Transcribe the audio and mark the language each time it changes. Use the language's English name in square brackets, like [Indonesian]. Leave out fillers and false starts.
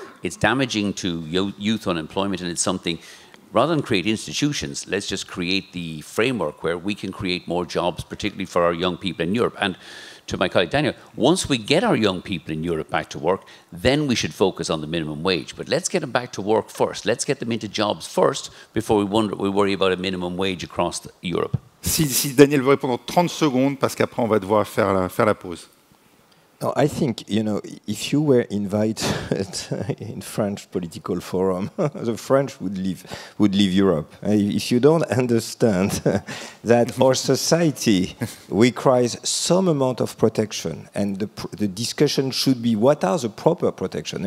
[English] It's damaging to youth unemployment, and it's something, rather than create institutions, let's just create the framework where we can create more jobs, particularly for our young people in Europe. And to my colleague Daniel, once we get our young people in Europe back to work, then we should focus on the minimum wage. But let's get them back to work first. Let's get them into jobs first before we worry about a minimum wage across Europe. [French] Si Daniel veut répondre 30 secondes, parce qu'après on va devoir faire la pause. [English] No, I think, you know, if you were invited in French political forum, the French would leave Europe. If you don't understand that our society requires some amount of protection, and the discussion should be what are the proper protection.